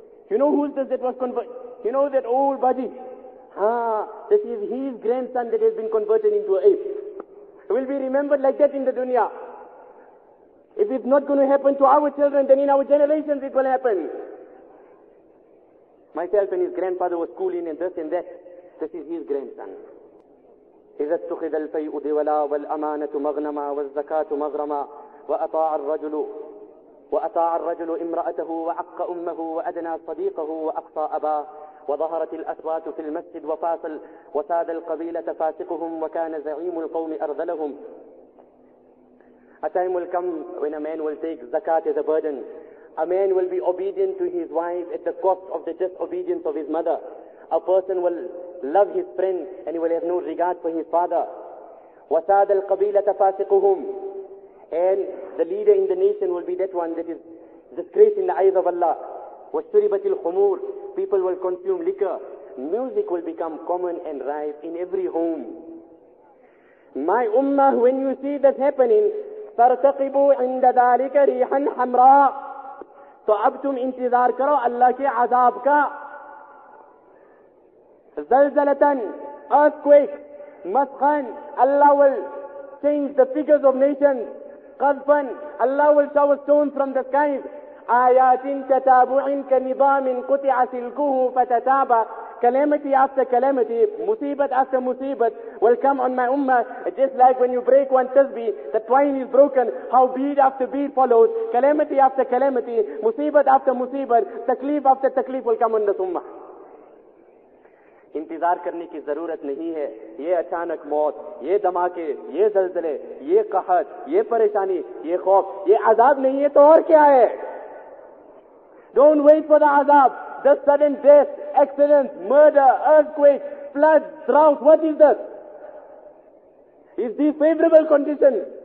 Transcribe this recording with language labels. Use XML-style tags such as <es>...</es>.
<en>You know who is this that was converted? You know that old buddy? This is his grandson that has been converted into an ape. Will be remembered like that in the dunya. If it's not going to happen to our children, then in our generations it will happen. Myself and his grandfather was schooling and this and that. This is his grandson.</en> <ar>إِذَا اتُّخِذَ الْفَيْءُ دِوَلَا وَالْأَمَانَةُ مَغْنَمَا وَالزَّكَاةُ مَغْرَمَا وَأَطَاعَ الرَّجُلُ إِمْرَأَتَهُ وَعَقَّ أُمَّهُ وَأَدْنَى صَدِيقَهُ وَأَقْصَى أَبَاهُ وظهرت الأسوات في المسجد وفاصل وساد القبيلة فاسقهم وكان زعيم القوم أرذلهم.</ar> <en>A time will come when a man will take zakat as a burden. A man will be obedient to his wife at the cost of the disobedience of his mother. A person will love his friend and he will have no regard for his father.</en> <ar>وساد القبيلة فاسقهم,</ar> <en>and the leader in the nation will be that one that is disgrace in the eyes of Allah.</en> <ar>وشربت الخمور,</ar> <en>people will consume liquor. Music will become common and rife in every home. My ummah, when you see this happening,</en> <ar>فَارْتَقِبُوا عِنْدَ ذَلِكَ رِيحًا حَمْرًا,</ar> <en>so</en> <ur>اب تم انتظار کرو اللہ کے عذاب کا.</ur> <en>زلزلتن, earthquake, مسخن, Allah will change the figures of nations.</en> <ar>قذفن,</ar> <en>Allah will shower stones from the skies.</en> <ar>آيات تتابع كنظام قطع سلكه فتتابع,</ar> <en>calamity after calamity, musibat after musibat will come on my ummah, just like when you break one tasbih, the twine is broken, how bead after bead follows, calamity after calamity, musibat after musibat, takleef after takleef will come on the ummah.</en> <ur>انتظار کرنے کی ضرورت نہیں ہے یہ اچانک موت یہ دھماکے یہ زلزلے یہ قحط یہ پریشانی یہ خوف یہ عذاب نہیں ہے تو اور کیا ہے</ur> <en>Don't wait for the azaab The sudden death accident murder earthquake flood drought what is this Is this favorable condition</en>